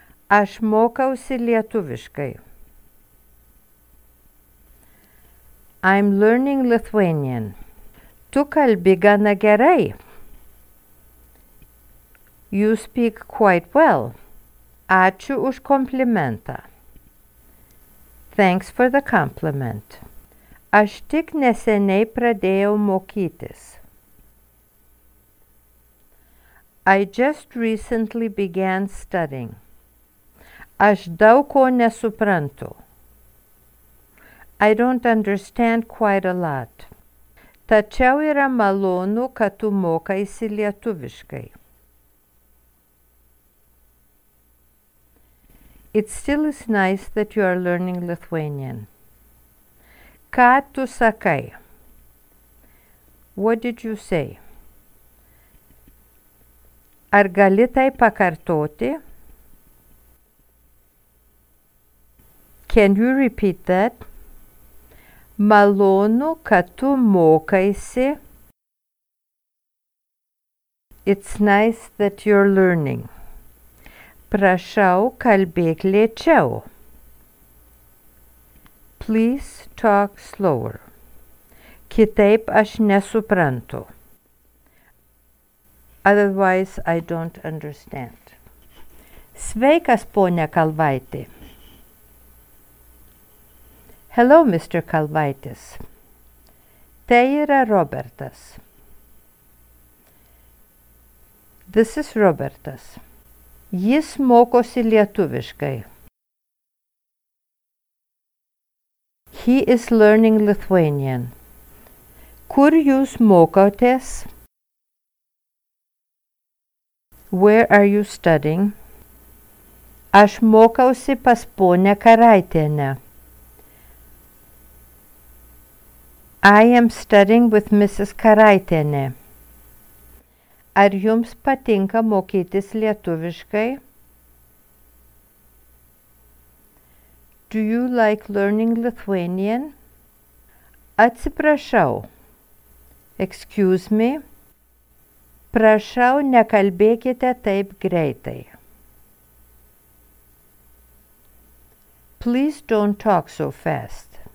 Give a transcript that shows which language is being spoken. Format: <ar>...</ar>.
<lt>Aš mokausi lietuviškai.</lt> <en>I'm learning Lithuanian.</en> <lt>Tu kalbi gana gerai.</lt> <en>You speak quite well.</en> <lt>Ačiū už komplimentą.</lt> <en>Thanks for the compliment.</en> <lt>Aš tik neseniai pradėjau mokytis.</lt> <en>I just recently began studying.</en> <lt>Aš daug ko nesuprantu.</lt> <en>I don't understand quite a lot.</en> <lt>Tačiau yra malonu, kad tu mokaisi lietuviškai.</lt> <en>It still is nice that you are learning Lithuanian.</en> <lt>Ką tu sakai?</lt> <en>What did you say?</en> <lt>Ar gali tai pakartoti?</lt> <en>Can you repeat that?</en> <lt>Malonu, kad tu mokaisi.</lt> <en>It's nice that you're learning.</en> <lt>Prašau, kalbėk lėčiau.</lt> <en>Please talk slower.</en> <lt>Kitaip aš nesuprantu.</lt> <en>Otherwise, I don't understand.</en> <lt>Sveikas, ponia Kalvaitė.</lt> <en>Hello, Mr. Kalvaitis.</en> <lt>Tai yra Robertas.</lt> <en>This is Robertas.</en> <lt>Jis mokosi lietuviškai.</lt> <en>He is learning Lithuanian.</en> <lt>Kur jūs mokotės?</lt> <en>Where are you studying?</en> <lt>Aš mokausi pas ponę Karaitienę.</lt> <en>I am studying with Mrs. Karaitienė.</en> <lt>Ar jums patinka mokytis lietuviškai?</lt> <en>Do you like learning Lithuanian?</en> <lt>Atsiprašau.</lt> <en>Excuse me.</en> <lt>Prašau, nekalbėkite taip greitai.</lt> <en>Please don't talk so fast.</en>